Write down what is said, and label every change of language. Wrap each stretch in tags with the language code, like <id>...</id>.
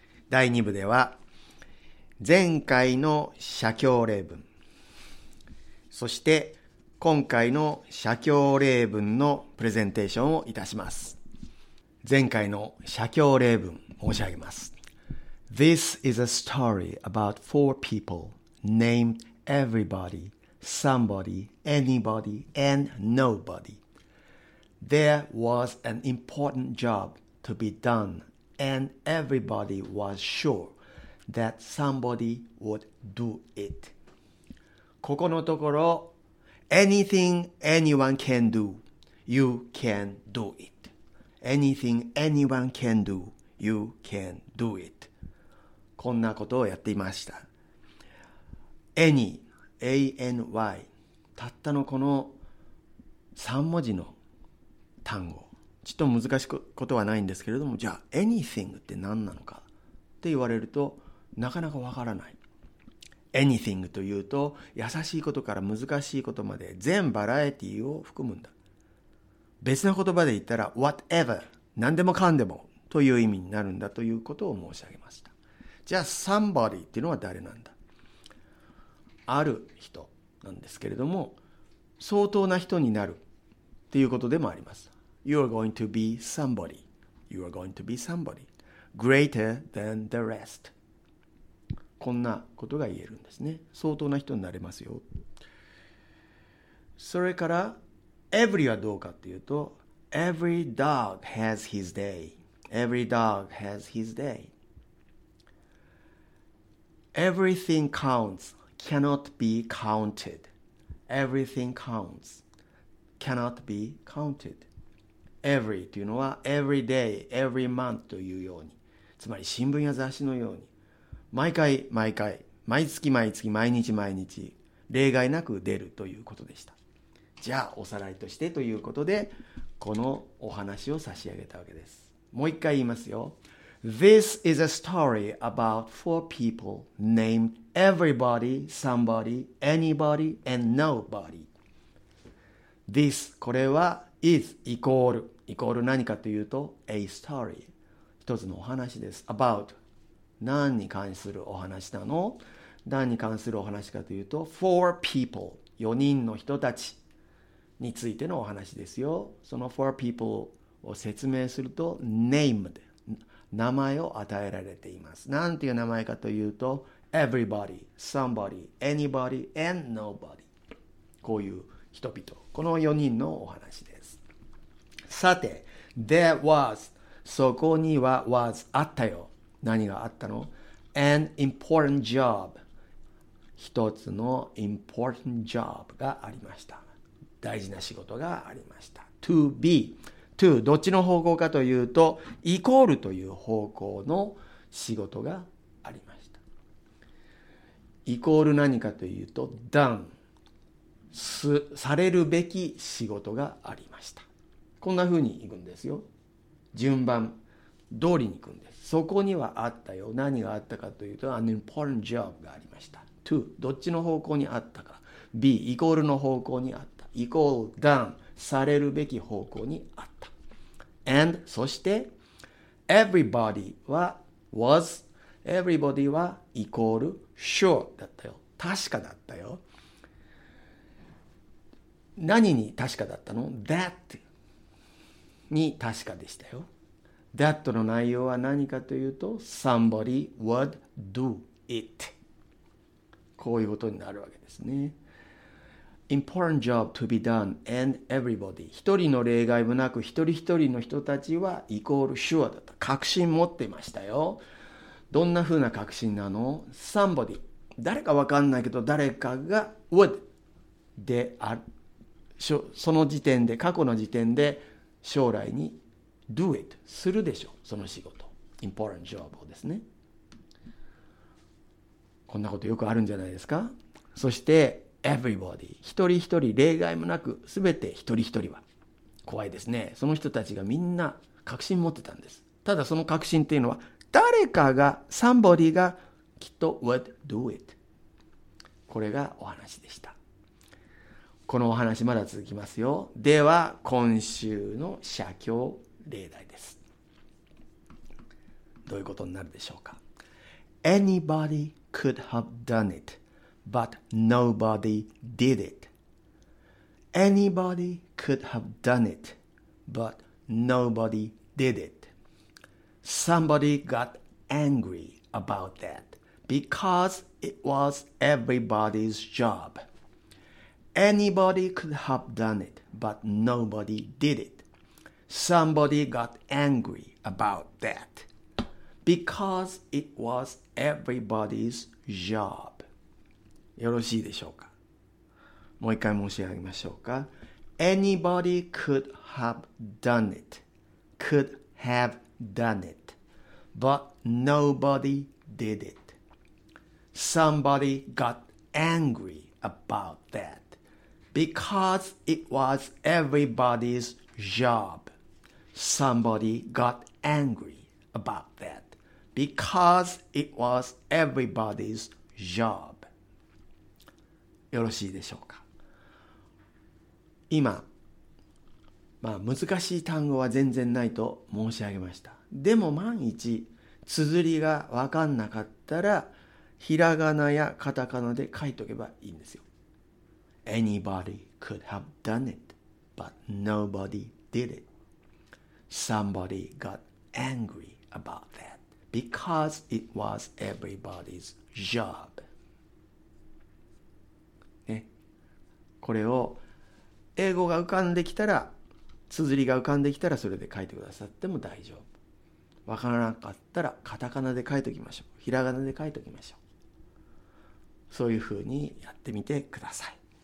<ja>第2部では前回の写経例文、そして今回の写経例文のプレゼンテーションをいたします。前回の写経例文申し上げます。</ja> <en>This is a story about four people named everybody, somebody, anybody, and nobody. There was an important job to be done, and everybody was sure that somebody would do it.</en> <ja>ここのところ、</ja> <en>Anything anyone can do, you can do it. Anything anyone can do, you can do it.</en> <ja>こんなことをやっていました。Any, A-N-Y、たったのこの3文字の単語。ちょっと難しくことはないんですけれども、じゃあ Anything って何なのかって言われるとなかなかわからない。 Anything というと優しいことから難しいことまで全バラエティを含むんだ。別な言葉で言ったら whatever、 何でもかんでもという意味になるんだということを申し上げました。じゃあ somebody っていうのは誰なんだ。ある人なんですけれども、相当な人になるっていうことでもあります。</ja> <en>You are going to be somebody. You are going to be somebody. Greater than the rest.</en> <ja>こんなことが言えるんですね。相当な人になれますよ。それから</ja> <en>Every</en> <ja>はどうかっていうと、</ja> <en>Every dog has his day. Every dog has his day. Everything counts, cannot be counted. Everything counts, cannot be counted.</en> <ja>Every というのは、</ja> <en>Every day, every month</en> <ja>というように。つまり新聞や雑誌のように。毎回毎回、毎月毎月、毎日毎日、例外なく出るということでした。じゃあおさらいとしてということでこのお話を差し上げたわけです。もう一回言いますよ。</ja> <en>This is a story about four people named everybody, somebody, anybody, and nobody.</en> <ja>This これは is イコールイコール何かというと</ja> <en>a story</en> <ja>一つのお話です。 about 何に関するお話なの。何に関するお話かというと</ja> <en>four people</en> <ja>四人の人たちについてのお話ですよ。その four people を説明すると named 名前を与えられています。なんていう名前かというと</ja> <en>everybody, somebody, anybody, and nobody、</en> <ja>こういう人々、この4人のお話です。さて</ja> <en>there was、</en> <ja>そこには was あったよ。何があったの。</ja> <en>an important job、</en> <ja>一つの important job がありました。大事な仕事がありました。To be、 To どっちの方向かというとイコールという方向の仕事がありました。イコール何かというと Done、 されるべき仕事がありました。こんな風に行くんですよ。順番通りに行くんです。そこにはあったよ。何があったかというと</ja> <en>An important job</en> <ja>がありました。 To どっちの方向にあったか、 Be イコールの方向にあった、イコール、ダウン、されるべき方向にあった。 And、そして、everybody は、was、everybody は、イコール、sure だったよ。確かだったよ。何に確かだったの ?that に確かでしたよ。 that の内容は何かというと、</ja> <en>somebody would do it。</en> <ja>こういうことになるわけですね。</ja> <en>Important job to be done and everybody.</en> <ja>一人の例外もなく一人一人の人たちはイコール sure だった。確信持ってましたよ。どんな風な確信なの ?somebody. 誰か分かんないけど誰かが would である。その時点で、過去の時点で将来に do it するでしょう。その仕事。</ja> <en>Important job</en> <ja>をですね。こんなことよくあるんじゃないですか。そして、Everybody、 一人一人例外もなく全て一人一人は、怖いですね。その人たちがみんな確信持ってたんです。ただその確信っていうのは誰かが somebody がきっと</ja> <en>would do it、</en> <ja>これがお話でした。このお話まだ続きますよ。では今週の写経例題です。どういうことになるでしょうか。</ja> <en>Anybody could have done it, but nobody did it. Anybody could have done it, but nobody did it. Somebody got angry about that because it was everybody's job. Anybody could have done it, but nobody did it. Somebody got angry about that. Because it was everybody's job.</en> <ja>よろしいでしょうか。もう一回申し上げましょうか。</ja> <en>Anybody could have done it. Could have done it. But nobody did it. Somebody got angry about that. Because it was everybody's job. Somebody got angry about that. Because it was everybody's job.</en> <ja>よろしいでしょうか。今、まあ難しい単語は全然ないと申し上げました。でも万一綴りが分かんなかったら、ひらがなやカタカナで書いとけばいいんですよ。</ja> <en>Anybody could have done it, but nobody did it. Somebody got angry about that. Because it was everybody's job.、</en> <ja>ね、これを英語が浮かんできたら、綴りが浮かんできたらそれで書いてくださっても大丈夫。わからなかったらカタカナで書いておきましょう。ひらがなで書いておきましょう。そういうふうにやってみてください。</ja>